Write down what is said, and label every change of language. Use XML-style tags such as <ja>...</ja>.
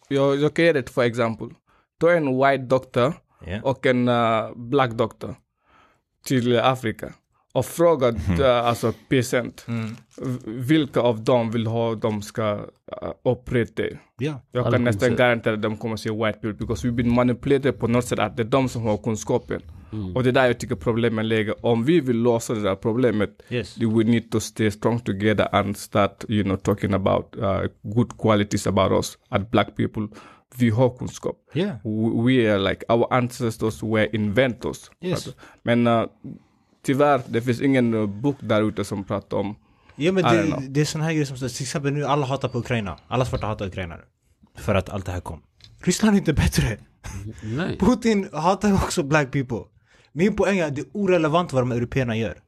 <sv>Jag kan ge det för exempel. Ta en white doctor och en black doctor till Afrika och fråga alltså patient vilka av dem vill ha dem ska operera dig.</sv> <en>Yeah.</en> <sv>Jag kan nästan garantera att de kommer att se</sv> <en>white people because we've been manipulated</en> <sv>på något sätt att det är de som har kunskapen. Mm. Och det är där jag tycker problemen ligger. Om vi vill lösa det där problemet,</sv> <en>yes, we need to stay strong together and start, you know, talking about good qualities about us at black people.</en> <sv>Vi har kunskap.</sv> <en>Yeah. We are like, our ancestors were inventors. Yes.</en> <sv>Men tyvärr, det finns ingen bok där ute som pratar om. Ja, men det är sån här grejer som, till exempel nu, alla hatar på Ukraina. Alla svarta hatar Ukraina nu. För att allt det här kom. Ryssland är inte bättre. Nej. Putin hatar också black people. Min poäng är att det är irrelevant vad de europeerna gör.</sv>